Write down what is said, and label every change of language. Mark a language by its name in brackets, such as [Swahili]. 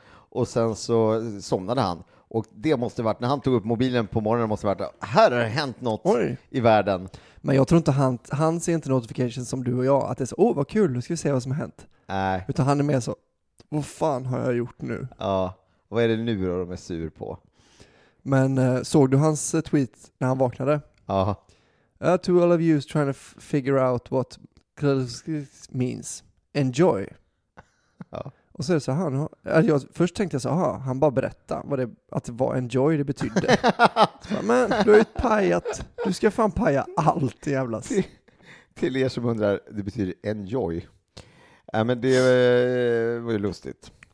[Swedish] Och sen så somnade han. Och det måste ha varit, när han tog upp mobilen på morgonen, måste ha varit, här har hänt något i världen. Men jag tror inte han ser inte notifications som du och jag. Att det är så, vad kul, nu ska vi se vad som har hänt. Utan han är mer så, vad fan har jag gjort nu? Ja, vad är det nu då de är sur på? Men såg du hans tweet när han vaknade? Ja. [English] To all of you trying to figure out what means. Enjoy. [Swedish] Ja. Och så är det så här, jag först tänkte jag så här, han bara berätta vad det, att det var enjoy det betydde. Bara, men du har ju pajat, du ska fan paja allt jävlas. Till er som undrar, det betyder enjoy. Men det var ju lustigt.